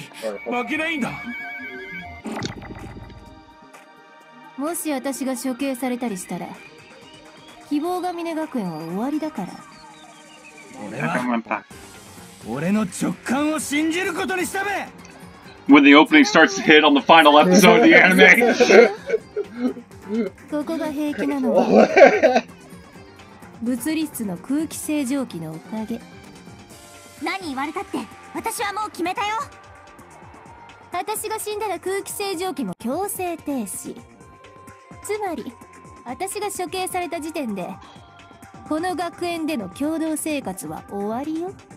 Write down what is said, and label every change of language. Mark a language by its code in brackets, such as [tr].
[ja] 負けないんだ。もし私が処刑されたりしたら、希望が峰学園は終わりだから、俺の直感を信じることにしたべ。 [en] When the opening starts to hit on the final episode of the anime. [ja] ここが平気なのは物理室の空気清浄機のおかげ。何言われたって私はもう決めたよ。私が死んだら空気清浄機も強制停止。つまり私が処刑された時点でこの学園での共同生活は終わりよ。